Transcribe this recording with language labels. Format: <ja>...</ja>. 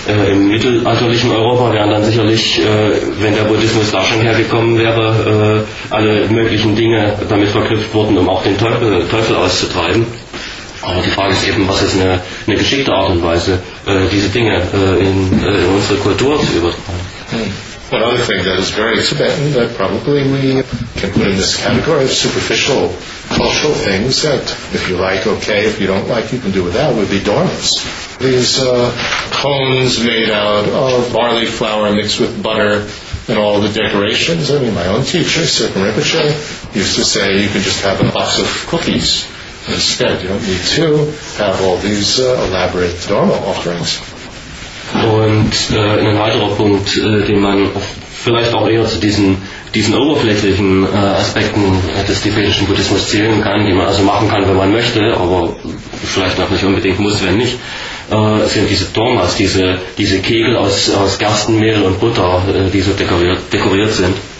<de>Im mittelalterlichen Europa wären dann sicherlich, wenn der Buddhismus da schon hergekommen wäre, alle möglichen Dinge damit verknüpft worden, um auch den Teufel auszutreiben. Aber die Frage ist eben, was ist eine geschickte Art und Weise, diese Dinge in unsere Kultur zu übertragen.</de> <en>One other thing that is very Tibetan that probably we can put in this category of superficial cultural things that if you like, okay, if you don't like, you can do without would be dormice. These cones made out of barley flour mixed with butter and all the decorations. I mean, my own teacher, Sirkin Rinpoche, used to say you can just have a box of cookies instead. You don't need to have all these elaborate dharma offerings.</en> <de>Und ein weiterer Punkt, den man vielleicht auch eher zu diesen oberflächlichen Aspekten des tibetischen Buddhismus zählen kann, die man also machen kann, wenn man möchte, aber vielleicht auch nicht unbedingt muss, wenn nicht, sind diese Dharmas, diese Kegel aus Gerstenmehl und Butter, die so dekoriert sind.</de>